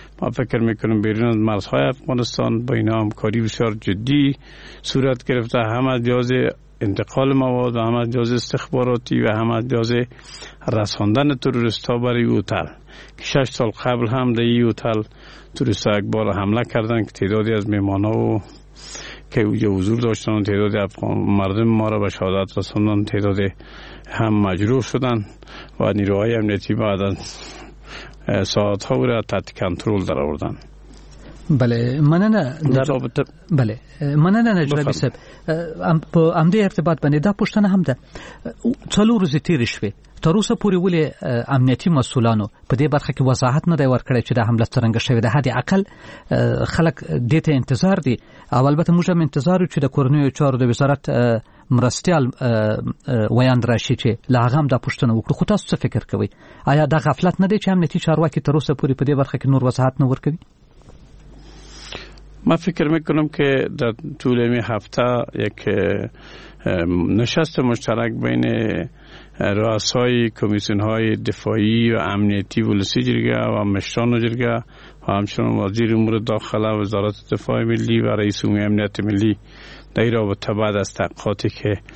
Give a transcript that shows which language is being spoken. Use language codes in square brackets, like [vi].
[fa] ما فکر میکنم بیرون از مرزهای افغانستان با اینا هم کاری بسیار جدی صورت گرفته، هم از لحاظ انتقال مواد و هم از لحاظ استخباراتی و هم از لحاظ رساندن تروریست‌ها برای هتل که 6 سال قبل هم در این هتل تروریست‌ها یک بار حمله کردن که تعدادی از میمانا و که اوجه حضور داشتن و تعداد افغان مردم ما را به شهادت رساندن، تعداد هم مجروح شدن و نیروهای امنیتی بعد از ساعت‌ها را تحت کنترل در آوردن. [ps] بله مننه نجرابی صاحب، په امده ارتباط باندې دا پوښتنه هم ده، څلور ورځې تیرې شوې، تر اوسه پورې ولې امنیتي مسؤلانو په دې برخه کې وضاحت نه دی ورکړی چې دا حمله څرنګه شوې ده؟ حد اقل خلک دې ته انتظار دي، او البته موږ هم انتظار یو چې د کورنیو چارو د وزارت مرستیال ویاند راشي چې له هغه هم دا پوښتنه وکړو. خو تاسو څه فکر کوئ، آیا دا غفلت نه دی چې امنیتي چارواکي تر اوسه پورې په دې برخه کې نور وضاحت نه ورکوي؟ [fa] ما فکر میکنم که در طول این هفته یک نشست مشترک بین رؤسای کمیسیون های دفاعی و امنیتی ولسی جرگه و مشتان و جرگه و همچنان وزیر امور داخله و وزارت دفاع ملی و رئیس عمومی امنیت ملی در این رابطه بعد از تحقیقاتی که